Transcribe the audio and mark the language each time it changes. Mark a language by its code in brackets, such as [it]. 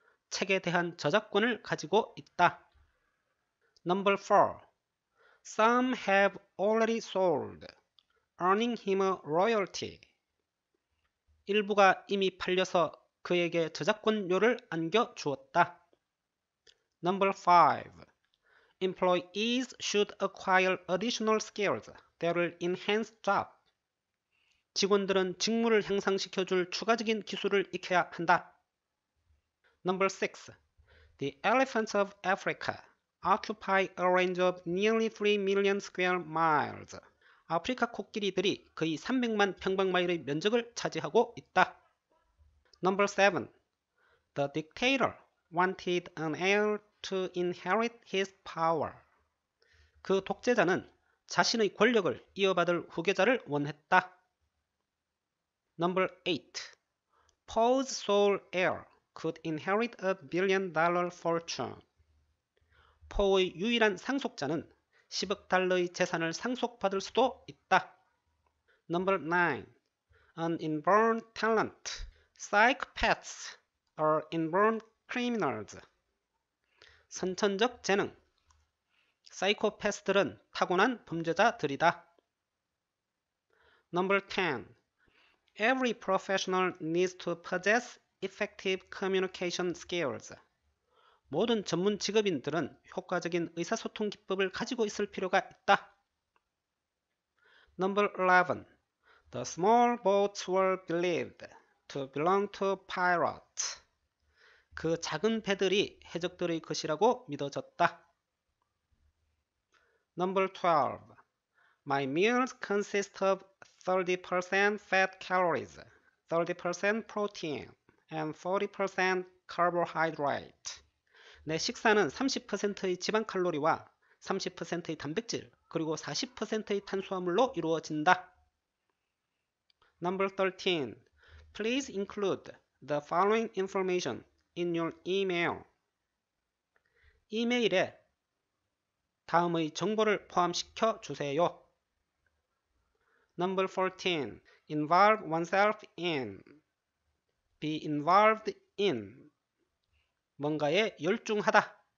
[ko] 책에 대한 저작권을 가지고 있다. [en] Number 4. Some have already sold. Earning him a royalty. [ko] 일부가 이미 팔려서 그에게 저작권료를 안겨주었다. [en] Number 5. Employees should acquire additional skills that will enhance job. [ko] 직원들은 직무를 향상시켜줄 추가적인 기술을 익혀야 한다. [en] Number 6. The elephants of Africa occupy a range of nearly 3 million square miles. [ko] 아프리카 코끼리들이 거의 300만 평방마일의 면적을 차지하고 있다. [en] Number 7. The dictator wanted an heir to inherit his power. [ko] 그 독재자는 자신의 권력을 이어받을 후계자를 원했다. [en] Number 8. Poe's sole heir could inherit a $1 billion fortune. [ko] Poe의 유일한 상속자는 10억 달러의 재산을 상속받을 수도 있다. [en] Number 9. An inborn talent. Psychopaths are inborn criminals. [ko] 선천적 재능. 사이코패스들은 타고난 범죄자들이다. [en] Number 10. Every professional needs to possess effective communication skills. [ko] 모든 전문 직업인들은 효과적인 의사소통 기법을 가지고 있을 필요가 있다. [en] Number 11. The small boats were believed to belong to pirates. [ko] 그 작은 배들이 해적들의 것이라고 믿어졌다. [en] Number 12. My meals consist of 30% fat calories, 30% protein, and 40% carbohydrate. [ko] 내 식사는 30%의 지방 칼로리와 30%의 단백질, 그리고 40%의 탄수화물로 이루어진다. [en] Number 13. Please include the following information in your email. [ko] 이메일에 다음의 정보를 포함시켜 주세요. [en] Number 14. Involve oneself in. Be involved in. [ko] 뭔가에 열중하다.